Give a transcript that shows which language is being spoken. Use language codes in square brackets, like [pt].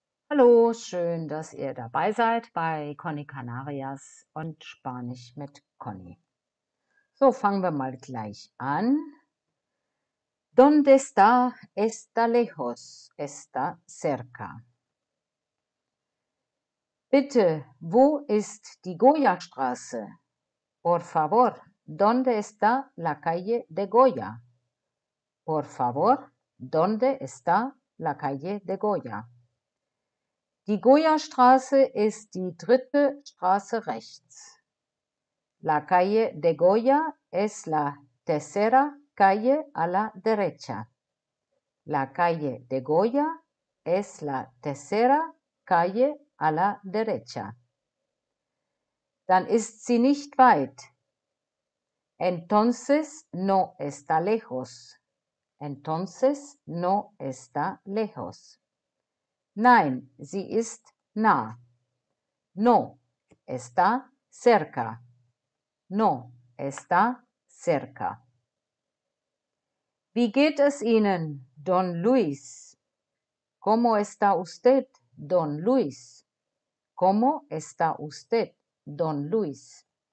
[de] Hallo, schön, dass ihr dabei seid bei Conny Canarias und Spanisch mit Conny. So, fangen wir mal gleich an. [es] ¿Dónde está? Está lejos. Está cerca. [de] Bitte, wo ist die Goya-Straße? [es] Por favor, ¿dónde está la calle de Goya? Por favor, ¿dónde está la calle de Goya? [de] Die Goya-Straße ist die dritte Straße rechts. [es] La calle de Goya es la tercera calle a la derecha. La calle de Goya es la tercera calle a la derecha. [de] Dann ist sie nicht weit. [es] Entonces no está lejos. Entonces no está lejos. [de] Nein, sie ist nah. [es] No, está cerca. No, está cerca. [de] Wie geht es Ihnen, Don Luis? [es] ¿Cómo está usted, Don Luis? ¿Cómo está usted, Don Luis?